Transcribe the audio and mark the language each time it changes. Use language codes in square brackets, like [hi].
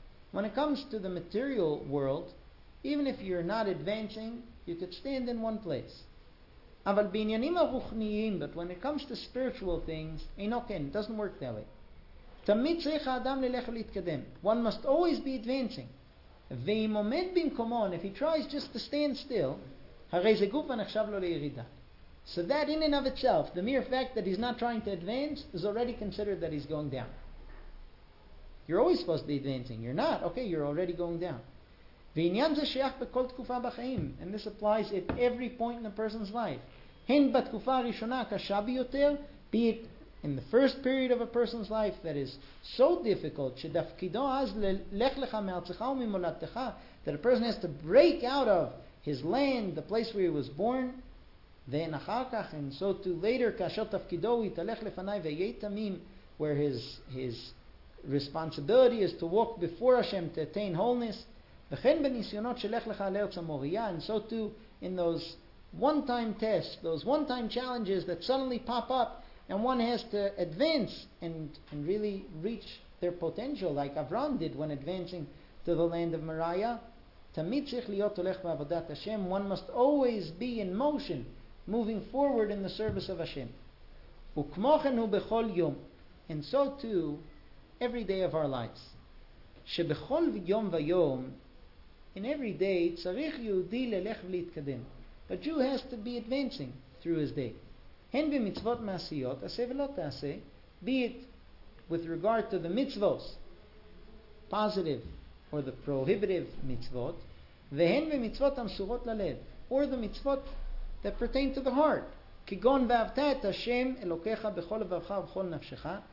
[en] When it comes to the material world, even if you're not advancing, you could stand in one place. But when it comes to spiritual things, it doesn't work that way. [he] תמיד צריך האדם ללכת להתקדם. [en] One must always be advancing. [he] ואם עומד במקומו, [en] if he tries just to stand still, [he] הרי זה גוף ונחשב לו לירידה. [en] So that in and of itself, the mere fact that he's not trying to advance is already considered that he's going down. You're always supposed to be advancing. You're not. Okay, you're already going down. [he] ועניין זה שייך בכל תקופה בחיים. [en] And this applies at every point in a person's life. [he] הן בתקופה הראשונה קשה ביותר, [en] be it in the first period of a person's life that is so difficult, [he] שדפקידו אז ללך לך מארצך וממולדתך, [en] that a person has to break out of his land, the place where he was born, then [he] אחר כך, [en] and so too later, [he] כאשר תפקידו הוא יתהלך לפני ויהיה תמים, [en] where his responsibility is to walk before Hashem to attain wholeness, [he] וכן בניסיונות שלך לך לארץ המוריה, [en] and so too in those one-time tests, those one-time challenges that suddenly pop up, and one has to advance and really reach their potential, like Avram did when advancing to the land of Moriah. [he] תמיד צריך להיות הולך בעבודת השם. [en] One must always be in motion, moving forward in the service of Hashem. [he] וכמו כן הוא בכל יום, [en] and so too, every day of our lives. [he] שבכל יום ויום, [en] in every day, [he] צריך יהודי ללך ולהתקדם. [en] A Jew has to be advancing through his day. [he] הן במצוות מעשיות, עשה ולא תעשה, [en] be it with regard to the mitzvos, positive or the prohibitive mitzvot, [he] והן במצוות המסורות ללב, [en] or the mitzvot that pertain to the heart, [he] כגון ואהבת את השם אלוקיך בכל לבבך ובכל נפשך.